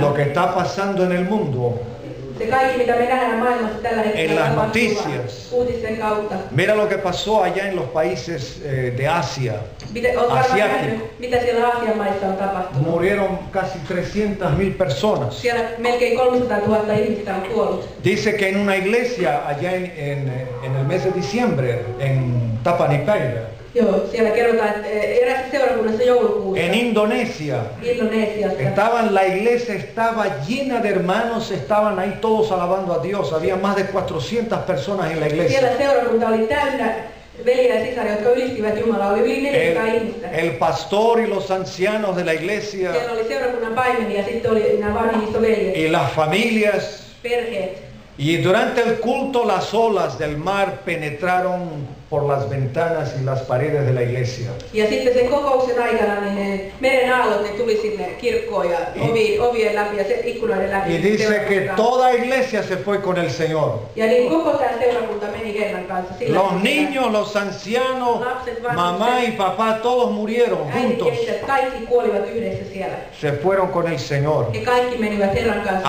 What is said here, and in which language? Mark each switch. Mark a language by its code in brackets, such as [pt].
[es] Lo que está pasando en el mundo. [fi] Se kaikki, mitä me nähdään maailmassa tällä hetkellä. [es] En las noticias. [fi] Uutisten kautta. [es] Mira lo que pasó allá en los países de Asia. [fi] Mitä siellä Aasian maissa on tapahtunut? [es] Murieron casi 300,000 personas. [fi] Siellä melkein 300,000 ihmistä on kuollut. [es] Dice que en una iglesia allá en el mes de diciembre en Tapanipeira. [fi] Joo, siellä kerrotaan, että eräs seurakunnassa joulukuussa. [es] En Indonesia. [fi] Indonesiassa. [es] Estaban, la iglesia estaba llena de hermanos, estaban ahí todos alabando a Dios. Había más de 400 personas en la iglesia. [fi] Siellä seurakunta oli täynnä veljiä ja sisaria, jotka ylistivät Jumalaa. Oli yli 400 ihmistä. [es] El pastor y los ancianos de la iglesia. [fi] Siellä oli seurakunnan paimeni ja sitten oli nämä vanhimmiston veljet. [es] Y las familias. [fi] Perheet. [es] Y durante el culto las olas del mar penetraron por las ventanas y las paredes de la iglesia. [fi] Ja sitten sen kokouksen aikana niin meren aallot ne tuli sinne kirkkoon ja ovien läpi ja ikkunoiden läpi. [es] Y dice que toda iglesia se fue con el Señor. [fi] Ja niin koko tämä seurakunta meni Herran kanssa. [es] Sillä los niños, los ancianos, [fi] lapset, vanhukset, [es] mamá y papá, todos murieron juntos. [fi] Äidit, kaikki kuolivat yhdessä siellä. [es] Se fueron con el Señor. [fi] Ja kaikki menivät Herran kanssa.